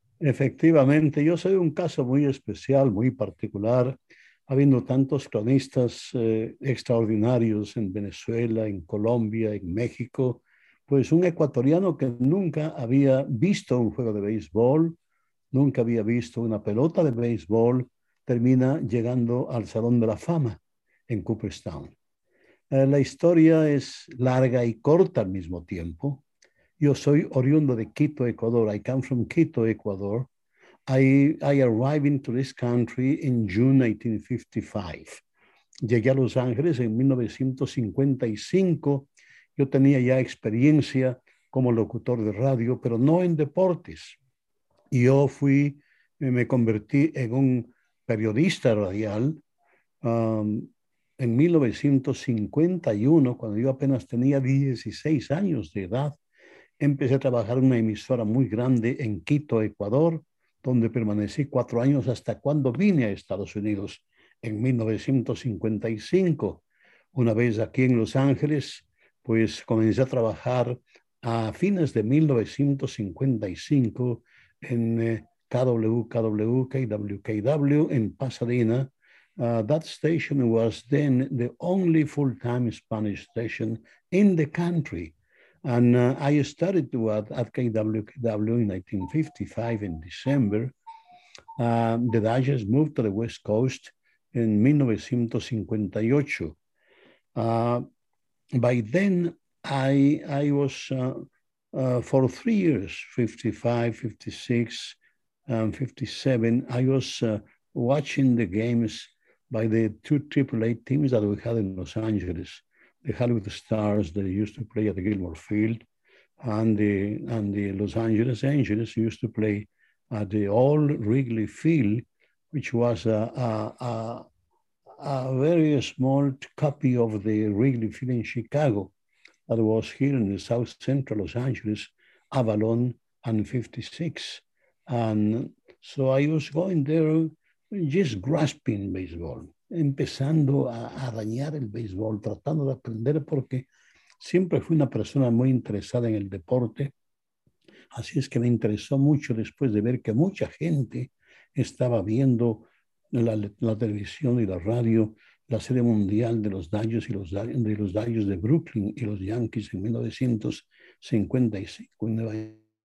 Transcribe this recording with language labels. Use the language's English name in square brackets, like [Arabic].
[Spanish] Efectivamente, yo soy un caso muy especial, muy particular, habiendo tantos cronistas extraordinarios en Venezuela, en Colombia, en México, pues un ecuatoriano que nunca había visto un juego de béisbol, nunca había visto una pelota de béisbol, termina llegando al Salón de la Fama en Cooperstown. La historia es larga y corta al mismo tiempo. Yo soy oriundo de Quito, Ecuador. [English] I come from Quito, Ecuador. I arrived into this country in June 1955. [Spanish] Llegué a Los Ángeles en 1955. Yo tenía ya experiencia como locutor de radio, pero no en deportes. Yo fui, me convertí en un periodista radial en 1951, cuando yo apenas tenía 16 años de edad. Empecé a trabajar en una emisora muy grande en Quito, Ecuador, donde permanecí 4 años hasta cuando vine a Estados Unidos en 1955. Una vez aquí en Los Ángeles, pues comencé a trabajar a fines de 1955 en KWKW en Pasadena. [English] That station was then the only full-time Spanish station in the country. And I started to work at KWKW in 1955 in December. The Dodgers moved to the West Coast in 1958. By then, I was for 3 years, 55, 56, and 57, I was watching the games by the two AAA teams that we had in Los Angeles. The Hollywood Stars, they used to play at the Gilmore Field, and the Los Angeles Angels used to play at the old Wrigley Field, which was a very small copy of the Wrigley Field in Chicago that was here in the South Central Los Angeles, Avalon and 56. And so I was going there just grasping baseball, [Spanish] empezando a dañar el béisbol, tratando de aprender, porque siempre fui una persona muy interesada en el deporte. Así es que me interesó mucho después de ver que mucha gente estaba viendo la televisión y la radio, la serie mundial de los Dodgers y los Dodgers de Brooklyn y los Yankees en 1955 en Nueva York.